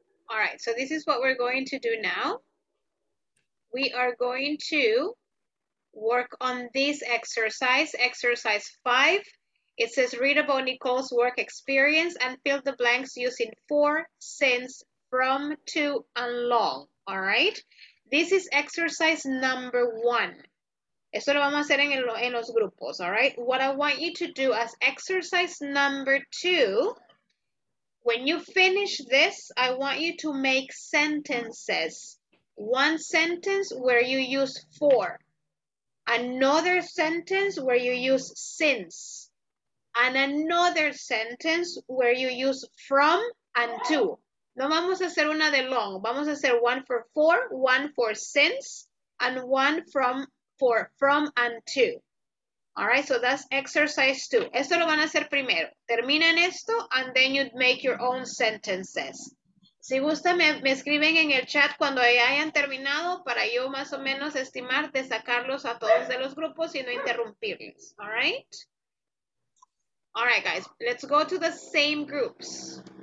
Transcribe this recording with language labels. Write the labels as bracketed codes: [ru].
[en] All right, so this is what we're going to do now. We are going to work on this exercise, exercise 5. It says, read about Nicole's work experience and fill the blanks using for, since, from, to, and long. All right? This is exercise number 1. [es] Esto lo vamos a hacer en los grupos, [en] all right? What I want you to do as exercise number 2, when you finish this, I want you to make sentences. One sentence where you use for. Another sentence where you use since. And another sentence where you use from and to. [es] No vamos a hacer [en] una de long. Vamos a hacer one for for, one for since, and one from for from and to. All right, so that's exercise 2. [es] Esto lo van a hacer primero. Terminan esto, [en] and then you make your own sentences. [es] Si gusta, me escriben en el chat cuando hayan terminado para yo más o menos estimar de sacarlos a todos de los grupos y no interrumpirles. [en] All right? All right, guys, let's go to the same groups.